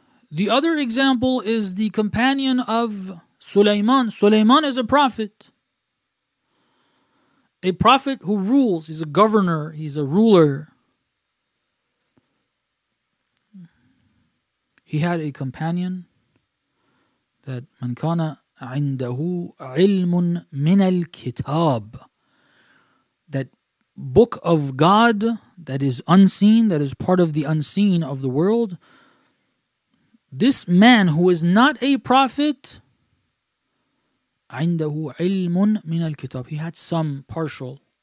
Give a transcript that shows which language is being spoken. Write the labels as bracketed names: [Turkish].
[English] The other example is the companion of Sulaiman. Sulaiman is a prophet. A prophet who rules, he's a governor, he's a ruler. He had a companion that [Arabic] مَنْ كَانَ عِنْدَهُ عِلْمٌ مِنَ الْكِتَابِ. [English] That book of God that is unseen, that is part of the unseen of the world. This man who is not a prophet, [Arabic] عِنْدَهُ عِلْمٌ مِنَ الْكِتَابِ. [English] He had some partial.